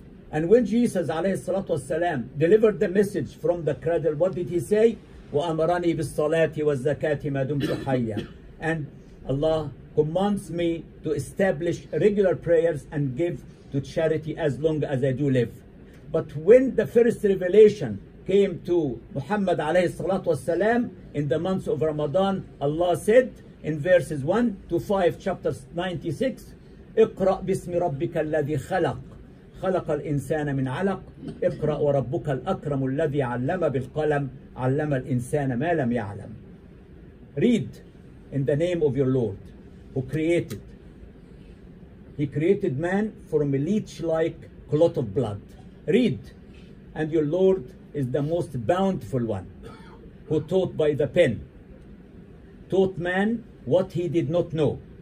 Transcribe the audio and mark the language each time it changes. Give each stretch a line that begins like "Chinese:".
English: And when Jesus alayhi salatu wa salam delivered the message from the cradle, what did he say?
Arabic: وَأَمَرَنِي بِالصَّلَاةِ وَالزَّكَاةِ مَا دُمْتُ حَيَّا.
English: And Allah commands me to establish regular prayers and give to charity as long as I do live. But when the first revelation came to Muhammad alayhi salatu wasalam in the months of Ramadan, Allah said in verses 1 to 5, chapter 96,
Arabic: اقرأ باسم ربك الذي خلق خلق الإنسان من علق اقرأ وربك الأكرم الذي علم بالقلم علم الإنسان ما لم يعلم.
English: Read in the name of your Lord who created. He created man from a leech-like clot of blood. Read, and your Lord is the most bountiful one, who taught by the pen, taught man what he did not know.